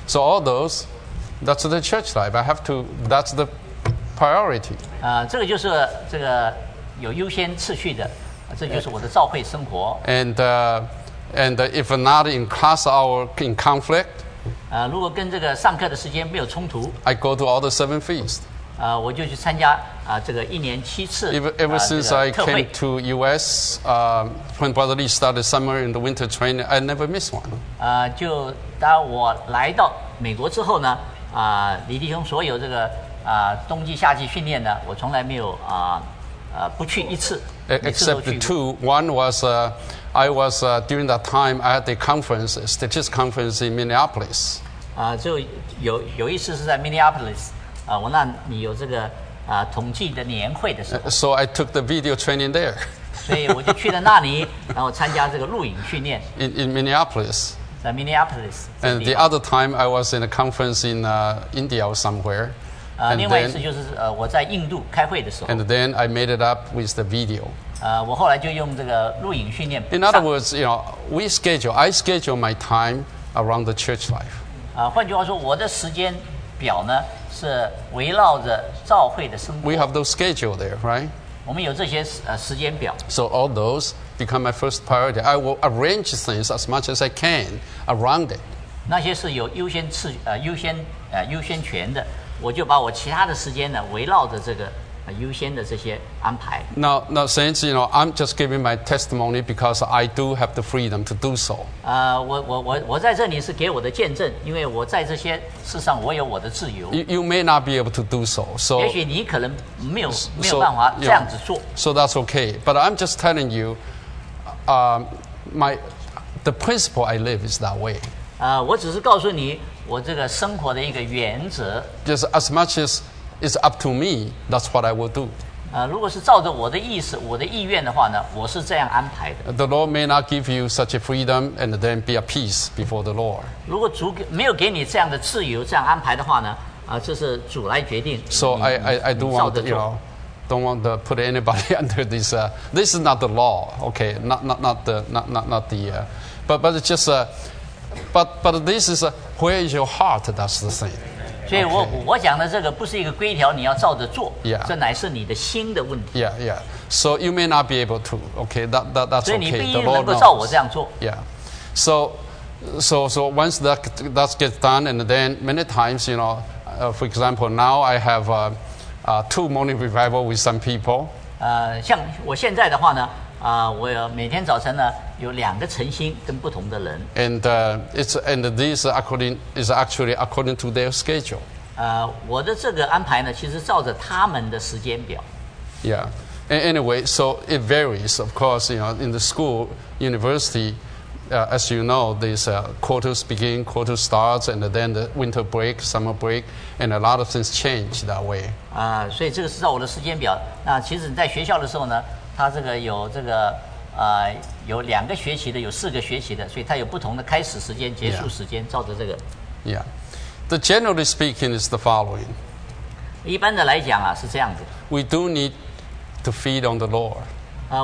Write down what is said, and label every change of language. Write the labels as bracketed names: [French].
[English] So all those, that's the church life. I have to. That's the. Priority. [Chinese] 这个就是这个有优先次序的，这就是我的召会生活。 [English] And if not in class hour in conflict, [Chinese] 如果跟这个上课的时间没有冲突 [English] ，I go to all the seven feasts. [Chinese] 我就去参加这个一年七次。 [English] Ever since I came to U.S. When Brother Lee started summer and the winter training, I never miss one. [Chinese] 就当我来到美国之后呢，李弟兄所有这个。冬季夏季训练呢，我从来没有不去一次。 [English] Except the two. One was I was during that time I had a conference, a statistics conference in Minneapolis. [Chinese] 就有一次是在 Minneapolis. 我那里有这个统计的年会的时候。 [English] So I took the video training there. [Chinese] 所以我就去了那里，然后参加这个录影训练。 [English] In Minneapolis. [Chinese] 在 Minneapolis. [English] And the other time I was in a conference in India or somewhere. [Chinese] 另外一次就是我在印度开会的时候。 [English] And then I made it up with the video. [Chinese] 我后来就用这个录影训练。 [English] In other words, you know, we schedule. I schedule my time around the church life. [Chinese] 换句话说，我的时间表呢是围绕着召会的生活。 [English] We have those schedule there, right? [Chinese] 我们有这些时间表。 [English] So all those become my first priority. I will arrange things as much as I can around it. [Chinese] 那些是有优先权的。我就把我其他的时间呢围绕着这个优先的这些安排。 [English] Now since you know I'm just giving my testimony because I do have the freedom to do so. [Chinese] 我在这里是给我的见证，因为我在这些事上我有我的自由。 [English] You may not be able to do so. [Chinese] 也许你可能没有办法这样子做。 [English] You know, so that's okay. But I'm just telling you, the principle I live is that way. [Chinese] 我只是告诉你。我这个生活的一个原则 [English] ，just as much as it's up to me, that's what I will do. [Chinese] 如果是照着我的意思、我的意愿的话呢，我是这样安排的。 [English] The Lord may not give you such a freedom and then be at peace before the Lord. [Chinese] 如果主没有给你这样的自由、这样安排的话呢，这是主来决定。 [English] So I do want to, you know, don't want to put anybody under this. This is not the law, okay? But it's just a. But this is where is your heart? That's the thing. [Chinese] 所以我讲的这个不是一个规条，你要照着做。 [English] Yeah. [Chinese] 这乃是你的心的问题。 [English] Yeah, yeah. So you may not be able to. Okay. That's okay. [Chinese] 所以你不一定能够照我这样做。 [English] Yeah. So So once that gets done, and then many times, you know, for example, now I have two morning revival with some people. [Chinese] 像我现在的话呢，我每天早晨呢有两个晨星跟不同的人。 [English] And this is actually according to their schedule. [Chinese] 我的这个安排呢，其实照着他们的时间表。 [English] Yeah. And anyway, so it varies. Of course, you know, in the school, university. As you know, these quarters begin, quarters start, and then the winter break, summer break, and a lot of things change that way. [Chinese] 所以这个是照我的时间表。那其实你在学校的时候呢，它这个有这个有两个学期的，有四个学期的，所以它有不同的开始时间、结束时间， [English] yeah. [Chinese] 照着这个。 [English] Yeah. The generally speaking is the following. [Chinese] 一般的来讲啊，是这样子。 [English] We do need to feed on the Lord.